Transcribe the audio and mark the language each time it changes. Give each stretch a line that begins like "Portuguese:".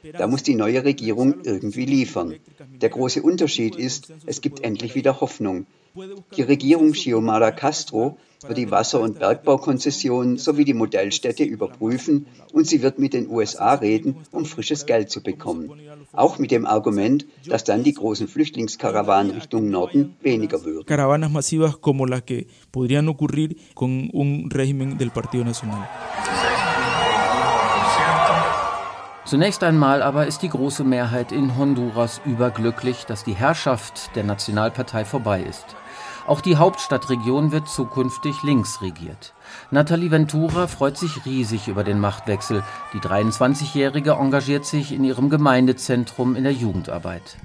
German: Da muss die neue Regierung irgendwie liefern. Der große Unterschied ist, es gibt endlich wieder Hoffnung. Die Regierung Xiomara Castro wird die Wasser- und Bergbaukonzessionen sowie die Modellstädte überprüfen und sie wird mit den USA reden, um frisches Geld zu bekommen. Auch mit dem Argument, dass dann die großen Flüchtlingskarawanen Richtung Norden weniger würden.
Spanish: Caravanas masivas como las que podrían ocurrir con un régimen del Partido Nacional.
German: Zunächst einmal aber ist die große Mehrheit in Honduras überglücklich, dass die Herrschaft der Nationalpartei vorbei ist. Auch die Hauptstadtregion wird zukünftig links regiert. Nathalie Ventura freut sich riesig über den Machtwechsel. Die 23-Jährige engagiert sich in ihrem Gemeindezentrum in der Jugendarbeit.